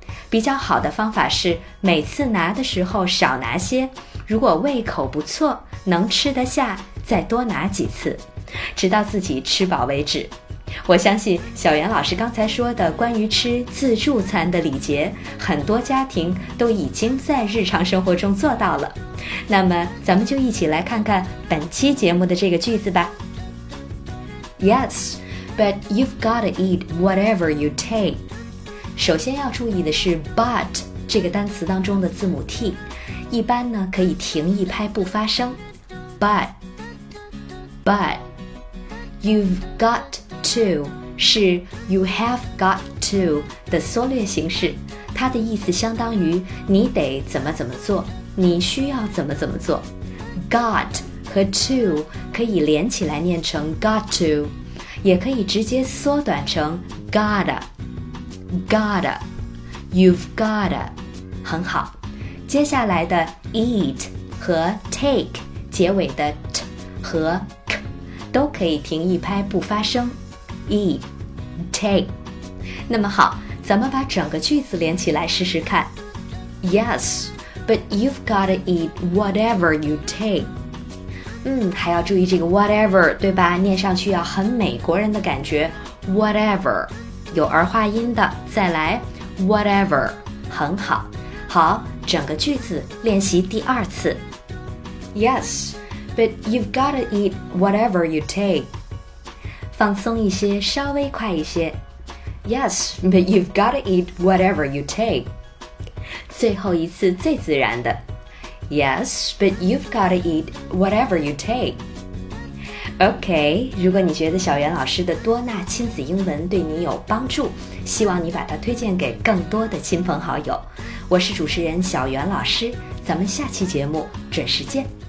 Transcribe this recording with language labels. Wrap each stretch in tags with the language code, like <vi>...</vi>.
<zh>比较好的方法是每次拿的时候少拿些，如果胃口不错能吃得下再多拿几次，直到自己吃饱为止。我相信小袁老师刚才说的关于吃自助餐的礼节，很多家庭都已经在日常生活中做到了。那么咱们就一起来看看本期节目的这个句子吧。</zh> <en>Yes, but you've got to eat whatever you take.</en> <zh>首先要注意的是 but 这个单词当中的字母 t， 一般呢可以停一拍不发声。</zh> <en>but you've got to</en> <zh>是</zh> <en>you have got to</en> <zh>的缩略形式，它的意思相当于你得怎么怎么做，你需要怎么怎么做。 got 和 to 可以连起来念成 got to， 也可以直接缩短成 gotta。</zh> <en>Gotta, you've gotta,</en> <zh>很好。接下来的 eat 和 take 结尾的 t 和 k 都可以停一拍不发声。</zh> <en>Eat, take.</en> <zh>那么好，咱们把整个句子连起来试试看。</zh> <en>Yes, but you've gotta eat whatever you take.</en> <zh>还要注意这个 whatever, 对吧？念上去要很美国人的感觉。 Whatever. 有儿化音的，再来 whatever， 很好。好，整个句子练习第二次。</zh> <en>Yes, but you've got to eat whatever you take.</en> <zh>放松一些，稍微快一些。</zh> <en>Yes, but you've got to eat whatever you take.</en> <zh>最后一次最自然的。</zh> <en>Yes, but you've got to eat whatever you take.</en> <zh>OK, 如果你觉得小袁老师的多纳亲子英文对你有帮助，希望你把它推荐给更多的亲朋好友。我是主持人小袁老师，咱们下期节目准时见。</zh>